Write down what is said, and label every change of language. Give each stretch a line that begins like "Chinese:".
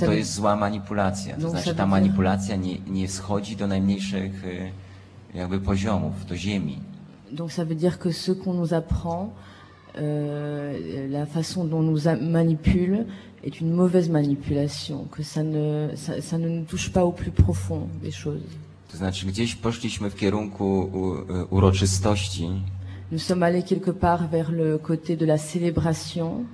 Polish: to jest zła manipulacja.
French: Donc,
Polish: to znaczy, ta manipulacja nie schodzi do najmniejszych jakby poziomów, do ziemi.
French: Donc ça veut dire que ce qu'on nous apprend, la façon dont nous manipule est une mauvaise manipulation, que ça ne nous touche pas au plus profond des choses.
Polish: To znaczy, gdzieś poszliśmy w kierunku uroczystości.
French: Nous sommes allés quelque part vers le côté de la célébration,